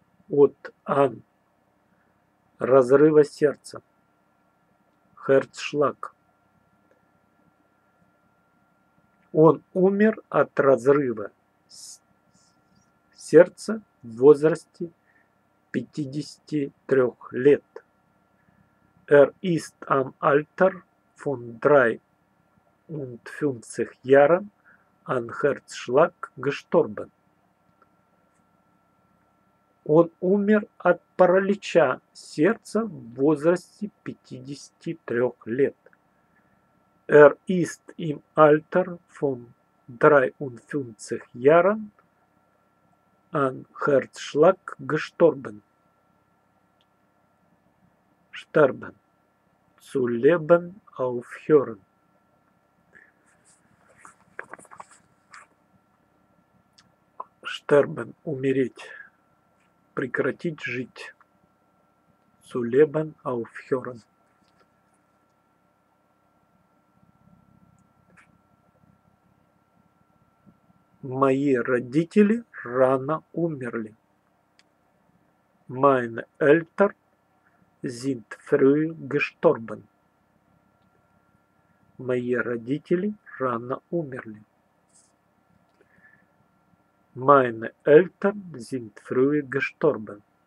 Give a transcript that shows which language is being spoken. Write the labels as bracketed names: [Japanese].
[Russian] От «ан» – разрыва сердца, «херцшлаг». Он умер от разрыва сердца в возрасте 53 лет. [German] Ist am Alter von 53 Jahren an Herzschlag gestorben. [Russian] Он умер от паралича сердца в возрасте 53 лет. [German] Ist im Alter von 53 Jahren an Herzschlag gestorben. Sterben. Zu leben aufhören. Sterben. [Russian] Умереть. Прекратить жить. [German] Zu leben aufhören. [Russian] Мои родители рано умерли. [German] Meine Eltern sind früh gestorben. [Russian] Мои родители рано умерли. [German] Meine Eltern sind früh gestorben.